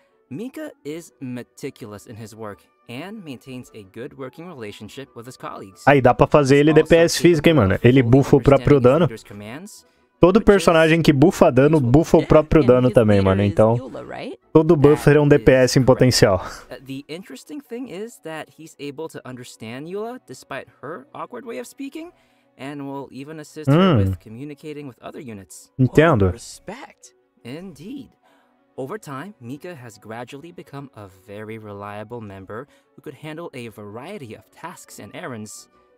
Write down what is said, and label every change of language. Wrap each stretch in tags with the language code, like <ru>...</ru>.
<en>Mika is meticulous in his work and maintains a good working relationship with his colleagues.</en> <pt>Aí dá pra fazer ele DPS físico, hein, mano? Ele buffa o próprio dano. Todo personagem que buffa dano, buffa o próprio dano também, mano. Então, todo buffer é um DPS em potencial.</pt> <en>The interesting thing is that he's able to understand Yula despite her awkward way of speaking and will even assist her with communicating with other units.</en> <pt>Entendo.</pt> <en>Respect. Indeed. Over time, Mika has gradually become a very reliable member who could handle a variety of tasks and errands.</en>